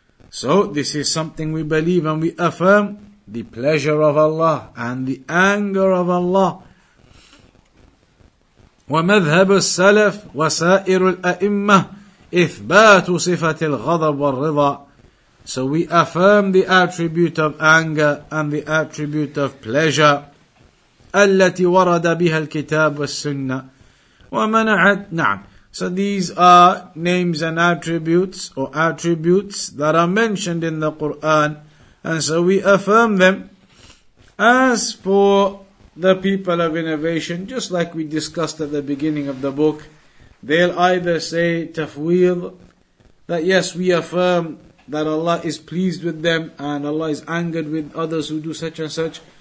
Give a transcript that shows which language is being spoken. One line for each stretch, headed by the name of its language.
English: So this is something we believe and we affirm, the pleasure of Allah and the anger of Allah.
Arabic: وَمَذْهَبُ السَّلَفِ وَسَائِرُ الْأَئِمَّةِ إِثْبَاتُ صِفَةِ الْغَضَبُ وَالرِّضَى.
English: So we affirm the attribute of anger and the attribute of pleasure.
Arabic: التي ورد بها الكتاب والسنة ومنعت. نعم.
English: So these are names and attributes or attributes that are mentioned in the Quran. And so we affirm them. As for the people of innovation, just like we discussed at the beginning of the book, they'll either say tafweel, that yes, we affirm that Allah is pleased with them and Allah is angered with others who do such and such.